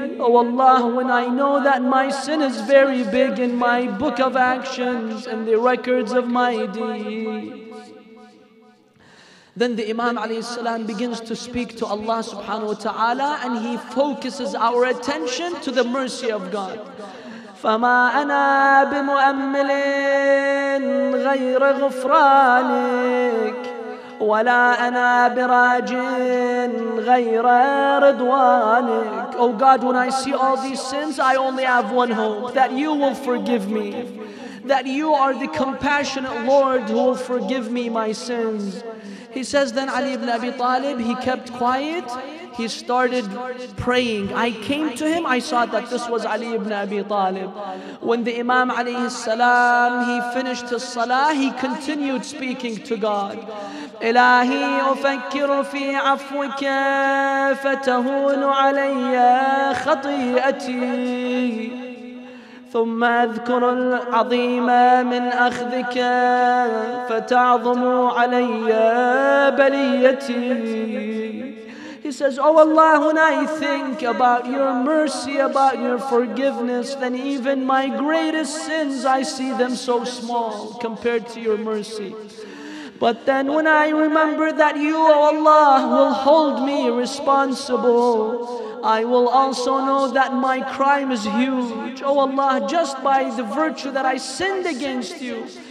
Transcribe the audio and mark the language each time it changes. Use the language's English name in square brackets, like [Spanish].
[English] Oh Allah, when I know that my sin is very big in my book of actions and the records of my deeds. Then the Imam alayhi salam begins to speak to Allah subhanahu wa ta'ala and he focuses our attention to the mercy of God. [Arabic] فما أنا بمؤمل غير غفرانك ولا أنا براج غير رضوانك. [English] Oh God, when I see all these sins, I only have one hope, that you will forgive me, that you are the compassionate Lord who will forgive me my sins. He says, then Ali ibn Abi Talib, he kept quiet. He started praying. I came to him, I saw that this was Ali ibn Abi Talib. When the Imam alayhi salam, he finished his salah, he continued speaking to God. [Arabic] إلهي أفكر في عفوك فتهون علي خطيئتي ثم أذكر العظيم من أخذك فتعظم علي بليتي. [English] He says, oh Allah, when I think about your mercy, about your forgiveness, then even my greatest sins, I see them so small compared to your mercy. But then when I remember that you, oh Allah, will hold me responsible, I will also know that my crime is huge. Oh Allah, just by the virtue that I sinned against you,